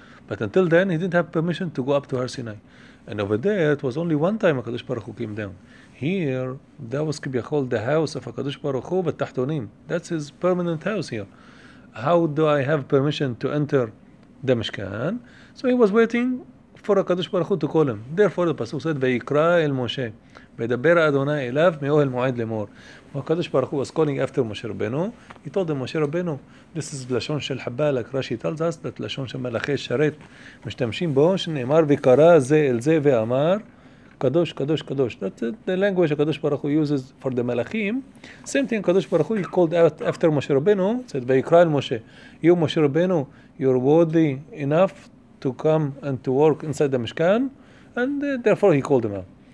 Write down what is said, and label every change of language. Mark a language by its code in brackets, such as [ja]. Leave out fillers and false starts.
[en] But until then, he didn't have permission to go up to Har Sinai. And over there, it was only one time Kadosh Baruch Hu came down. Here, that was kibyachol the house of HaKadosh Baruch Hu v'tachtonim. That's his permanent house here. How do I have permission to enter the Mishkan? So he was waiting for HaKadosh Baruch Hu to call him. Therefore, the Pasuk said, [he] ויקרא אל משה, וידבר אדוני אליו מאוהל מועד למור. [en] HaKadosh Baruch Hu was calling after Moshe Rabbeinu. He told him, Moshe Rabbeinu, this is [he] לשון של חבלק, רשי [en] tells us, that [he] לשון של מלאכי שרת משתמשים בו, שנאמר ויקרא זה אל זה ואמר, קדוש, קדוש, קדוש. [en] That's the language הקדוש ברוך הוא uses for the מלאכים. Same thing, הקדוש ברוך הוא, he called out after משה רבנו, said, [he] ויקרא אל משה, [en] you, משה רבנו, you're worthy enough to come and to work inside the משכן, and therefore he called him out.